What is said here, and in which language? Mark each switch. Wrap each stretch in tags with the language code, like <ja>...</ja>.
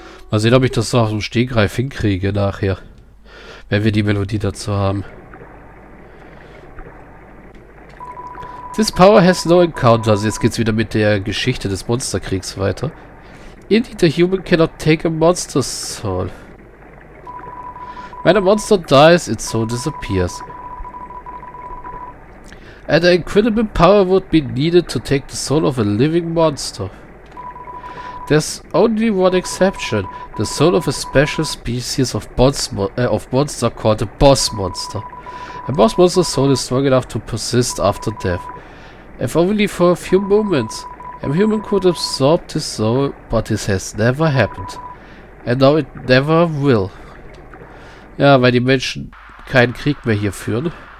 <de>Mal sehen, ob ich das so aus dem Stegreif hinkriege nachher, wenn wir die Melodie dazu haben.</de> <en>This power has no encounter.</en> <de>Also jetzt geht's wieder mit der Geschichte des Monsterkriegs weiter.</de> <en>Indeed, the human cannot take a monster's soul. When a monster dies, its soul disappears. And an incredible power would be needed to take the soul of a living monster. There's only one exception, the soul of a special species of monster called a boss monster. A boss monster's soul is strong enough to persist after death. If only for a few moments, a human could absorb this soul, but this has never happened. And now it never will.</en> <de>Ja, weil die Menschen keinen Krieg mehr hier führen.</de>